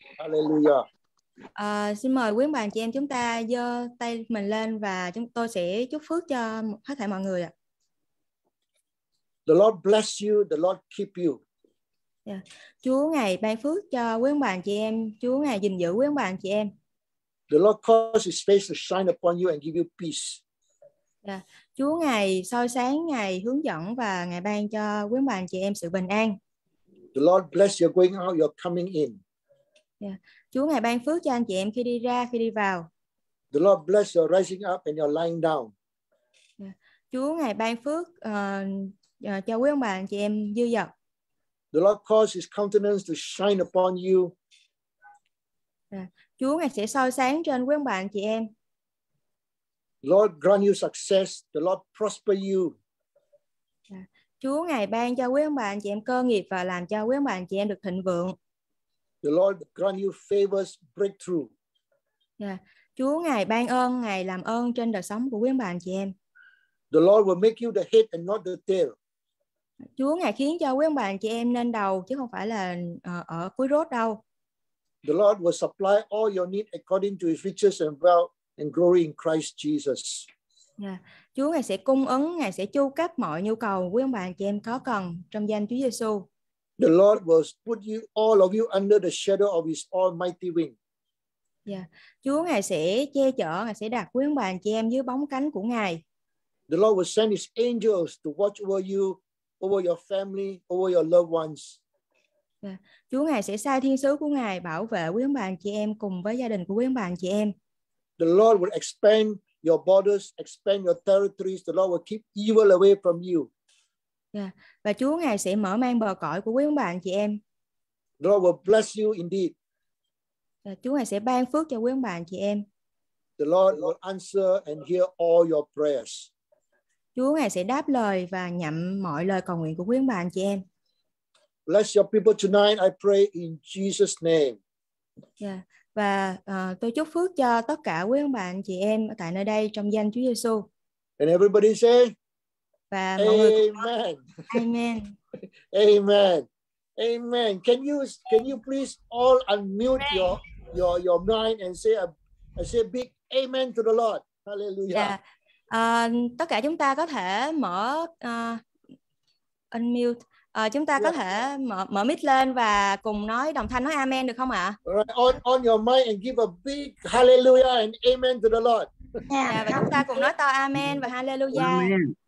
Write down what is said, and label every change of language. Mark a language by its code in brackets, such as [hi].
[en] Hallelujah. [vi] Xin mời quý bạn chị em chúng ta giơ tay mình lên và chúng tôi sẽ chúc phước cho hết thảy mọi người ạ. [en] The Lord bless you, the Lord keep you. [vi] Chúa ngài ban phước cho quý ông bà anh chị em, Chúa ngài gìn giữ quý ông bà anh chị em. [en] The Lord cause his face to shine upon you and give you peace. [vi] Chúa ngài soi sáng, ngài hướng dẫn và ngài ban cho quý ông bà anh chị em sự bình an. [en] The Lord bless your going out, your coming in. [vi] Chúa ngài ban phước cho anh chị em khi đi ra, khi đi vào. [en] The Lord bless your rising up and your lying down. [vi] Chúa ngài ban phước cho quý ông bà anh chị em dư dật. [en] The Lord cause his countenance to shine upon you. [vi] Chúa ngài sẽ soi sáng trên quý ông bà anh chị em. [en] Lord grant you success, the Lord prosper you. [vi] Chúa ngài ban cho quý ông bà anh chị em cơ nghiệp và làm cho quý ông bà anh chị em được thịnh vượng. [en] The Lord grant you favors, breakthrough. [vi] Chúa ngài ban ơn, ngài làm ơn trên đời sống của quý ông bà anh chị em. [en] The Lord will make you the head and not the tail. [vi] Chúa ngài khiến cho quý ông bà anh chị em nên đầu chứ không phải là ở cuối rốt đâu. [en] The Lord will supply all your need according to his riches and wealth and glory in Christ Jesus. [vi] Chúa ngài sẽ cung ứng, ngài sẽ chu cấp mọi nhu cầu quý ông bà anh chị em có cần trong danh Chúa Giêsu. [en] The Lord will put you all of you under the shadow of his almighty wing. [vi] Chúa ngài sẽ che chở, ngài sẽ đặt quý ông bà anh chị em dưới bóng cánh của ngài. [en] The Lord will send his angels to watch over you, over your family, over your loved ones. [vi] Chúa ngài sẽ sai thiên sứ của ngài bảo vệ quý ông bà anh chị em cùng với gia đình của quý ông bà anh chị em. [en] The Lord will expand your borders, expand your territories. The Lord will keep evil away from you. [vi] Và Chúa ngài sẽ mở mang bờ cõi của quý ông bà anh chị em. [en] The Lord will bless you indeed. [vi] Chúa ngài sẽ ban phước cho quý ông bà anh chị em. [en] The Lord will answer and hear all your prayers. [vi] Chúa ngài sẽ đáp lời và nhậm mọi lời cầu nguyện của quý ông bà anh chị em. [en] Bless your people tonight, I pray in Jesus' name. [vi] Và tôi chúc phước cho tất cả quý ông bà anh chị em tại nơi đây trong danh Chúa Giêsu. [en] And everybody say, [vi] và [en] Amen. Amen. Amen. Amen. Can you please all unmute Amen. your mind and say a big Amen to the Lord. Hallelujah. [vi] Tất cả chúng ta có thể mở unmute. Chúng ta có thể mở mic lên và cùng nói đồng thanh nói amen được không ạ? [en] Right, on your mic and give a big hallelujah and amen to the Lord. [vi] Và chúng ta cùng nói to amen và hallelujah.